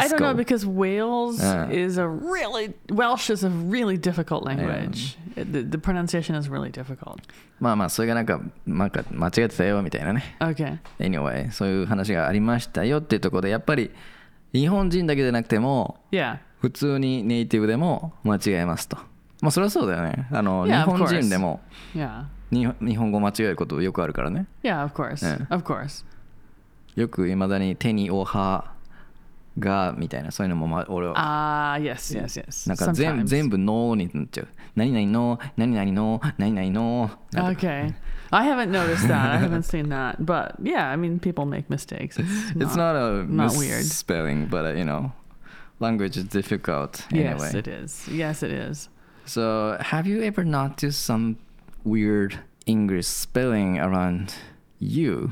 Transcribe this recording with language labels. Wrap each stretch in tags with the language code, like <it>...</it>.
<en>I don't know because Wales is a really Welsh is a really difficult language. The pronunciation is really difficult.</en> <ja>まあまあそれがなんか、まあ、間違ってたよみたいなね。</ja> <en>Okay.</en> <ja>Anyway, そういう話がありましたよっていうところでやっぱり日本人だけでなくても、</ja> <en>yeah.</en> <ja>普通にネイティブでも間違えますと。まあそれはそうだよね。あの、</ja> <en>yeah,</en> <ja>日本人でも、</ja> <en>yeah.</en> <ja>日本語間違えることよくあるからね。</ja> <en>Yeah, of course.、ね、of course.</en> <ja>よく未だに手にお歯がみたいなそういうのも、ま、俺は</ja> <en>ああ、yes, yes, yes.</en> <ja>なんか全部 no になっちゃう。何々の何々の何々の</ja> <en>Okay. I haven't noticed that. I haven't seen that. But yeah, I mean, people make mistakes. It's not a misspelling, but you know, language is difficult anyway. Yes, it is. Yes, it is. So have you ever noticed some weird English spelling around you?</en>